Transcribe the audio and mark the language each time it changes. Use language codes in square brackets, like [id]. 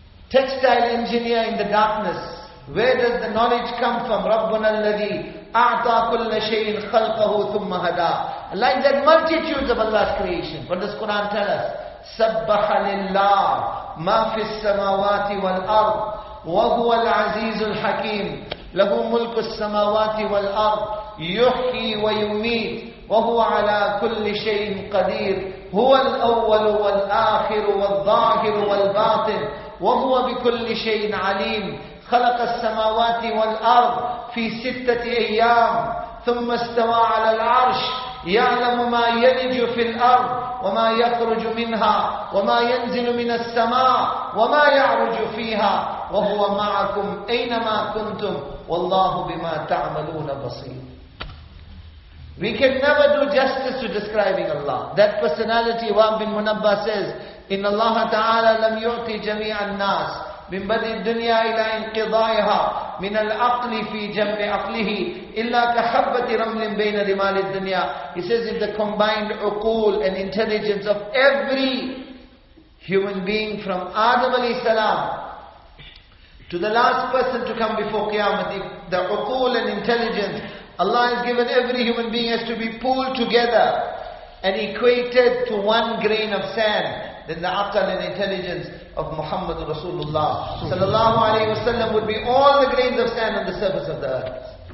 [en] Textile engineer in the darkness, where does the knowledge come from? [ar] رَبُّنَا الَّذِي أَعْطَى كُلَّ شَيْءٍ خَلْقَهُ ثُمَّ هَدَى. [en] Like that, multitudes of Allah's creation. What does Quran tell us? [ar] سَبَّحَ لِلَّهِ مَا فِي السَّمَاوَاتِ وَالْأَرْضِ وَهُوَ الْعَزِيزُ الْحَكِيمُ لَهُ مُلْكُ السَّمَاوَاتِ وَالْأَرْضِ يُحْيِي وَيُمِيتُ وَهُوَ عَلَى كُلِّ شَيْءٍ قَدِيرٌ هُوَ الْأَوَّلُ وَالْآخِرُ وَالظَّاهِرُ وَالْبَاطِنُ وَهُوَ بِكُلِّ شَيْءٍ عَلِيمٌ خَلَقَ السَّمَاوَاتِ وَالْأَرْضَ فِي سِتَّةِ أَيَّامٍ ثُمَّ اسْتَوَى عَلَى الْعَرْشِ يعلم ما يلج في الأرض وما يخرج منها وما ينزل من السماء وما يعرج فيها وهو معكم أينما كنتم والله بما تعملون بصير. [en] We can never do justice to describing Allah. That personality, Wahb bin Munabba says, [ar] إن الله تعالى لم يعطي جميع الناس من بدء الدنيا إلى انقضائها من العقل في جنب عقله إلا كحبة رمل بين رمال الدنيا. [en] He says if the combined uqul and intelligence of every human being from Adam alayhi salam to the last person to come before Qiyamah, if the uqul and intelligence Allah has given every human being has to be pooled together and equated to one grain of sand, then the aqal and intelligence of Muhammad Rasulullah sallallahu alayhi wa sallam would be all the grains of sand on the surface of the earth.